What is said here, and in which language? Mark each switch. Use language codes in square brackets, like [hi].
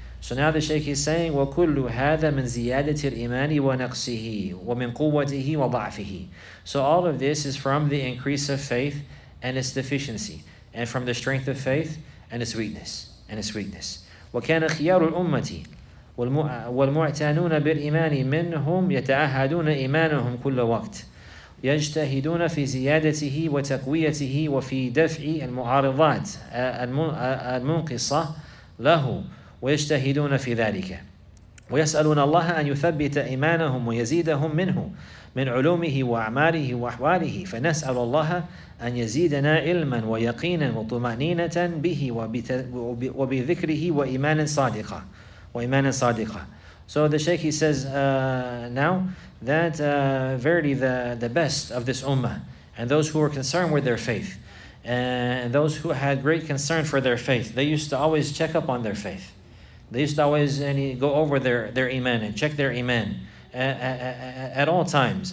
[en] So now the Shaykh is saying, [ar] وَكُلُّ هَذَا مِنْ زِيَادَةِ الْإِيمَانِ وَنَقْصِهِ وَمِنْ قُوَّتِهِ وَضَعْفِهِ. [en] So all of this is from the increase of faith and its deficiency, and from the strength of faith and its weakness. [ar] وَكَانَ خِيَارُ الْأُمَّةِ وَالْمُعْتَانُونَ بِالْإِيمَانِ مِنْهُمْ يَتَأَهَّدُونَ إِيمَانَهُمْ كُلَّ وَقْتٍ يجتهدون في زيادته وتقويته وفي دفع المعارضات المنقصة له ويجتهدون في ذلك ويسألون الله أن يثبت إيمانهم ويزيدهم منه من علومه وأعماله وأحواله فنسأل الله أن يزيدنا علما ويقينا وطمأنينة به وبذكره وإيمانا صادقا. [en] So the Shaykh, he says now that verily the best of this ummah, and those who were concerned with their faith, and those who had great concern for their faith, they used to always check up on their faith. They used to always go over their iman and check their iman at all times.